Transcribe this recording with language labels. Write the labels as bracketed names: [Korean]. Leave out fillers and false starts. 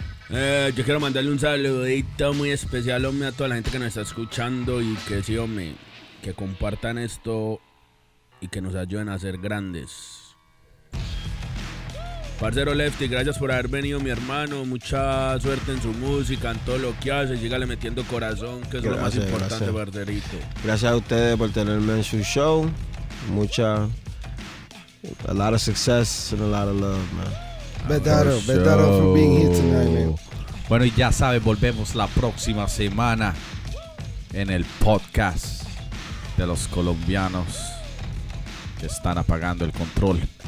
[Spanish] Yo quiero mandarle un saludito muy especial, hombre, a toda la gente que nos está escuchando y que sí, hombre, que compartan esto y que nos ayuden a ser grandes. Parcero Lefty, gracias por haber venido, mi hermano. Mucha suerte en su música, en todo lo que hace. Sígale metiendo corazón, que es lo más importante, parcerito. Gracias a ustedes por tenerme en su show. Mucha... [English] A lot of success and a lot of love, man. Betaro for being here tonight, man. [Spanish] Bueno, y ya saben, volvemos la próxima semana en el podcast de los colombianos que están apagando el control.